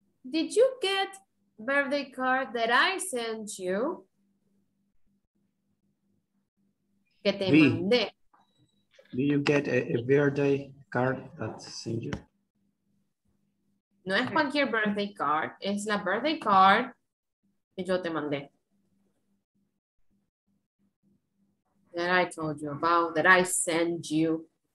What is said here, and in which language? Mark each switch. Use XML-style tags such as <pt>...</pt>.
<en>Did you get birthday card that I sent you?</en> <es>Que te mandé.</es> <en>Did you get a birthday card that sent you?</en> <es>No es cualquier birthday card, es la birthday card que yo te mandé.</es> <en>That I told you about, that I sent you.</en>